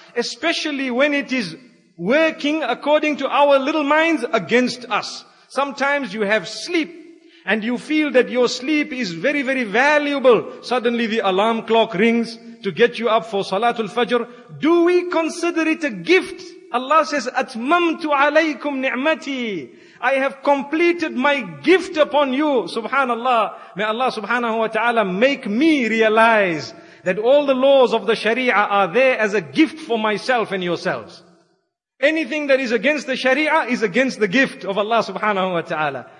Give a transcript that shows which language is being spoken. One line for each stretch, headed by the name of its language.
English: Especially when it is working according to our little minds against us. Sometimes you have sleep and you feel that your sleep is very, very valuable. Suddenly the alarm clock rings to get you up for Salatul Fajr. Do we consider it a gift? Allah says,
Arabic: أَتْمَمْتُ عَلَيْكُمْ نِعْمَتِي.
English: I have completed my gift upon you. Subhanallah. May Allah subhanahu wa ta'ala make me realize that all the laws of the Sharia are there as a gift for myself and yourselves. Anything that is against the Sharia is against the gift of Allah subhanahu wa ta'ala.